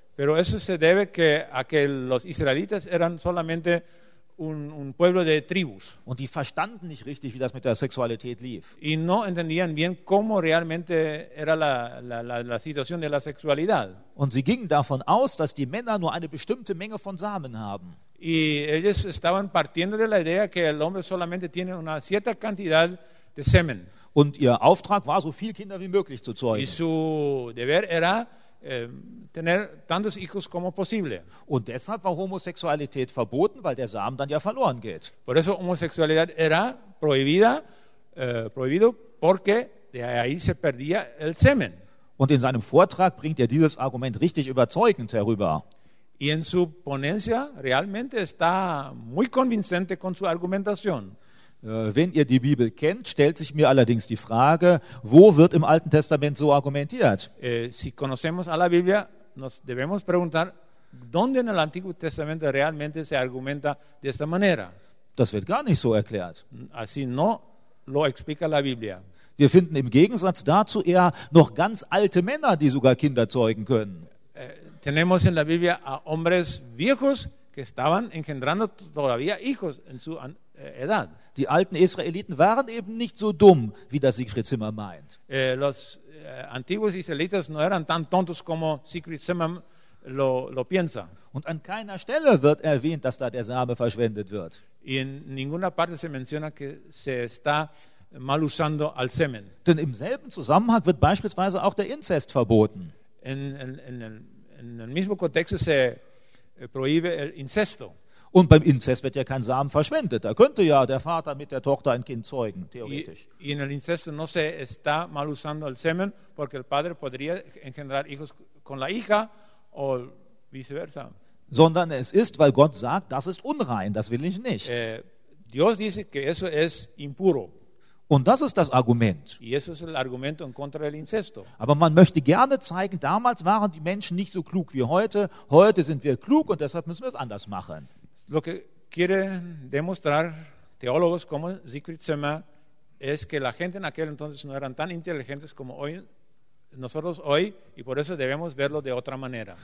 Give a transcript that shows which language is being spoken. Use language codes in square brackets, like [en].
[es] Pero eso se debe a que los israelitas eran solamente un pueblo de tribus. [de] Und die verstanden nicht richtig, wie das mit der Sexualität lief. [es] Y no entendían bien cómo realmente era la situación de la sexualidad. [de] Und sie gingen davon aus, dass die Männer nur eine bestimmte Menge von Samen haben. [es] Y ellos estaban partiendo de la idea que el hombre solamente tiene una cierta cantidad de semen. [de] Und ihr Auftrag war, so viele Kinder wie möglich zu zeugen. [es] Y su deber era tener tantos hijos como posible. [de] Und deshalb war Homosexualität verboten, weil der Samen dann ja verloren geht. [es] Por eso homosexualidad era prohibida, prohibido porque de ahí se perdía el semen. [de] Und in seinem Vortrag bringt er dieses Argument richtig überzeugend herüber. [es] Y en su ponencia realmente está muy convincente con su argumentación. [de] Wenn ihr die Bibel kennt, stellt sich mir allerdings die Frage, wo wird im Alten Testament so argumentiert? [es] Si conocemos a la Biblia, nos debemos preguntar, ¿dónde en el Antiguo Testamento realmente se argumenta de esta manera? [de] Das wird gar nicht so erklärt. [es] Así no lo explica la Biblia. [de] Wir finden im Gegensatz dazu eher noch ganz alte Männer, die sogar Kinder zeugen können. [es] Tenemos en la Biblia a hombres viejos que estaban engendrando todavía hijos en su edad. [de] Die alten Israeliten waren eben nicht so dumm, wie das Siegfried Zimmer meint. [es] Los antiguos israelitas no eran tan tontos como Siegfried Zimmer lo piensa. [de] Und an keiner Stelle wird erwähnt, dass da der Same verschwendet wird. [es] Y en ninguna parte se menciona que se está mal usando al semen. [de] Denn im selben Zusammenhang wird beispielsweise auch der Inzest verboten. [es] En el mismo contexto se prohíbe el incesto. [de] Und beim Inzest wird ja kein Samen verschwendet. Da könnte ja der Vater mit der Tochter ein Kind zeugen, theoretisch. [es] Y en el incesto no se está mal usando el semen, porque el padre podría engendrar hijos con la hija o viceversa. [de] Sondern es ist, weil Gott sagt, das ist unrein, das will ich nicht. [es] Dios dice que eso es impuro. [de] Und das ist das Argument. [es] Y eso es el argumento en contra del incesto. [de] Aber man möchte gerne zeigen, damals waren die Menschen nicht so klug wie heute. Heute sind wir klug und deshalb müssen wir es anders machen. [es] Lo que quieren demostrar teólogos como Siegfried Zimmer es que la gente en aquel entonces no eran tan inteligentes como hoy, nosotros hoy, y por eso debemos verlo de otra manera.